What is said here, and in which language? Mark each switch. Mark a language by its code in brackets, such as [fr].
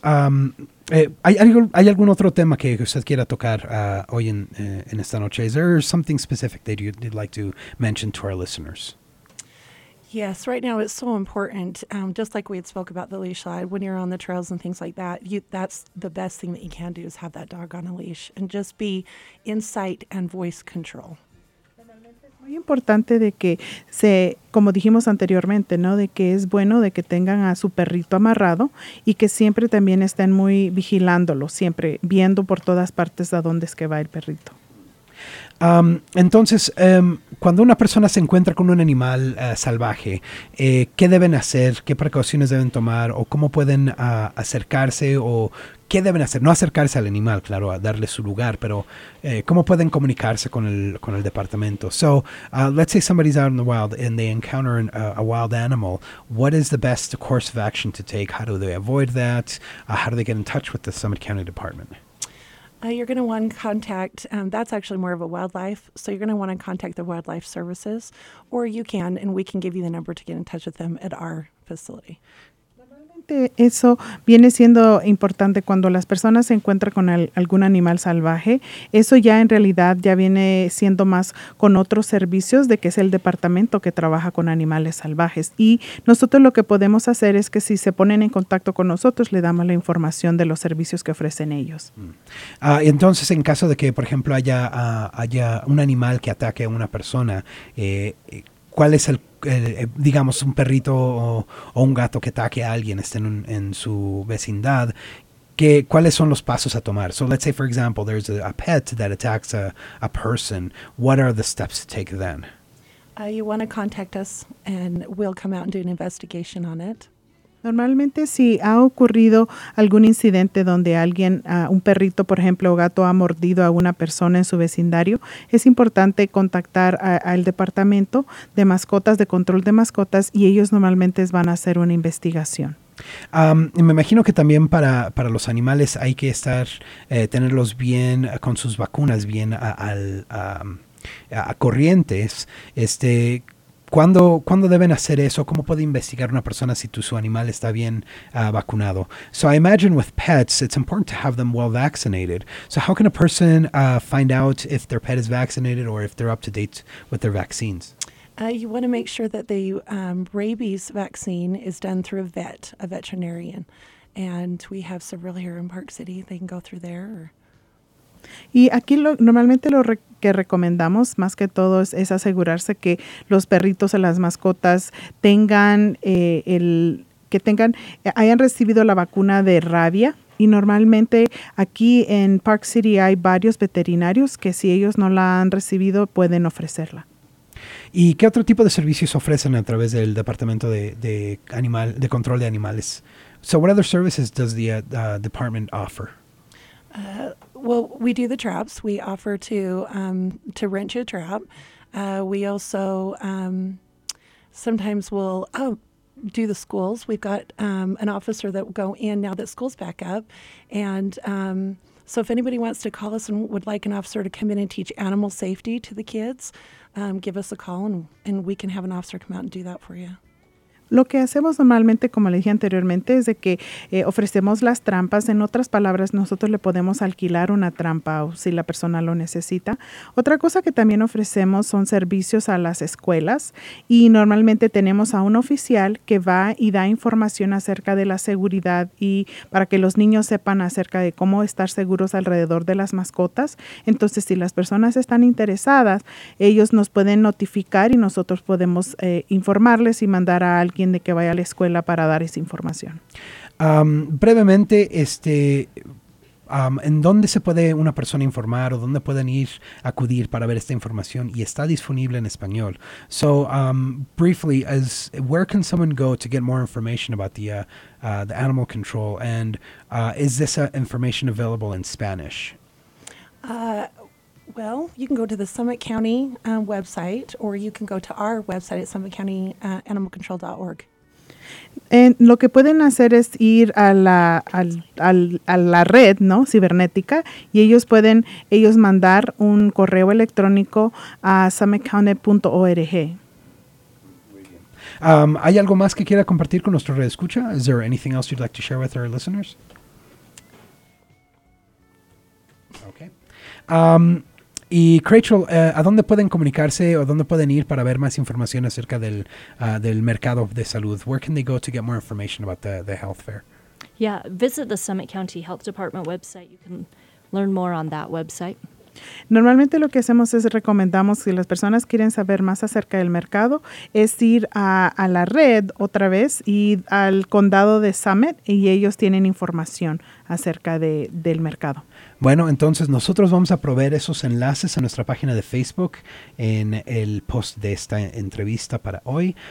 [es] ¿Hay algún otro tema que usted quiera tocar hoy en esta noche? [en] Is there something specific that you'd like to mention to our listeners? Yes, right now it's so important. Just like we had spoke about the leash, when you're on the trails and things like that, that's the best thing that you can do is have that dog on a leash and just be in sight and voice control. [es] Muy importante de que se, como dijimos anteriormente, ¿no? De que es bueno de que tengan a su perrito amarrado y que siempre también estén muy vigilándolo, siempre viendo por todas partes a dónde es que va el perrito. Entonces, cuando una persona se encuentra con un animal salvaje, ¿qué deben hacer? ¿Qué precauciones deben tomar? ¿O cómo pueden acercarse? ¿O qué deben hacer? No acercarse al animal, claro, a darle su lugar, pero ¿cómo pueden comunicarse con el departamento? [en] So, let's say somebody's out in the wild and they encounter a wild animal. What is the best course of action to take? How do they avoid that? How do they get in touch with the Summit County Department? You're going to want to contact, that's actually more of a wildlife, so you're going to want to contact the Wildlife Services, or you can, and we can give you the number to get in touch with them at our facility. [es] Eso viene siendo importante cuando las personas se encuentran con algún animal salvaje. Eso ya en realidad ya viene siendo más con otros servicios de que es el departamento que trabaja con animales salvajes. Y nosotros lo que podemos hacer es que si se ponen en contacto con nosotros, le damos la información de los servicios que ofrecen ellos. Entonces, en caso de que, por ejemplo, haya un animal que ataque a una persona, ¿cuál es el, digamos, un perrito o un gato que ataque a alguien, esté en su vecindad? ¿Cuáles son los pasos a tomar? [en] So let's say, for example, there's a pet that attacks a person. What are the steps to take then? You want to contact us and we'll come out and do an investigation on it. [es] Normalmente, si ha ocurrido algún incidente donde alguien, un perrito, por ejemplo, o gato, ha mordido a una persona en su vecindario, es importante contactar al departamento de mascotas, de control de mascotas, y ellos normalmente van a hacer una investigación. Y me imagino que también para los animales hay que estar, tenerlos bien con sus vacunas, bien a corrientes, ¿Cuándo deben hacer eso? ¿Cómo puede investigar una persona si su animal está bien vacunado? [en] So I imagine with pets, it's important to have them well vaccinated. So how can a person find out if their pet is vaccinated or if they're up to date with their vaccines? You want to make sure that the rabies vaccine is done through a veterinarian. And we have several here in Park City. They can go through there. [es] Y aquí normalmente lo que recomendamos más que todo es asegurarse que los perritos o las mascotas hayan recibido la vacuna de rabia. Y normalmente aquí en Park City hay varios veterinarios que si ellos no la han recibido pueden ofrecerla. ¿Y qué otro tipo de servicios ofrecen a través del Departamento de Control de Animales? [en] So what other services does the department offer? Well, we do the traps. We offer to rent you a trap. We also sometimes will do the schools. We've got an officer that will go in now that school's back up. And so if anybody wants to call us and would like an officer to come in and teach animal safety to the kids, give us a call and we can have an officer come out and do that for you. [es] Lo que hacemos normalmente, como le dije anteriormente, es de que ofrecemos las trampas. En otras palabras, nosotros le podemos alquilar una trampa o si la persona lo necesita. Otra cosa que también ofrecemos son servicios a las escuelas y normalmente tenemos a un oficial que va y da información acerca de la seguridad y para que los niños sepan acerca de cómo estar seguros alrededor de las mascotas. Entonces, si las personas están interesadas, ellos nos pueden notificar y nosotros podemos informarles y mandar a alguien de que vaya a la escuela para dar esa información. Brevemente, ¿en dónde se puede una persona informar o dónde pueden ir a acudir para ver esta información? Y está disponible en español. [en] So, briefly, where can someone go to get more information about the animal control? And is this information available in Spanish? Well, you can go to the Summit County website, or you can go to our website at summitcountyanimalcontrol.org. [es] Lo que pueden hacer es ir a la red, ¿no?, cibernética, y ellos pueden mandar un correo electrónico a summitcounty.org. ¿Hay algo más que quiera compartir con nuestra red escucha? [en] Is there anything else you'd like to share with our listeners? Okay. [es] Y, Rachel, ¿a dónde pueden comunicarse o dónde pueden ir para ver más información acerca del mercado de salud? [en] Where can they go to get more information about the health fair? Yeah, visit the Summit County Health Department website. You can learn more on that website. [es] Normalmente lo que hacemos es recomendamos, si las personas quieren saber más acerca del mercado, es ir a la red otra vez y al condado de Summit, y ellos tienen información acerca del mercado. Bueno, entonces nosotros vamos a proveer esos enlaces a nuestra página de Facebook en el post de esta entrevista para hoy.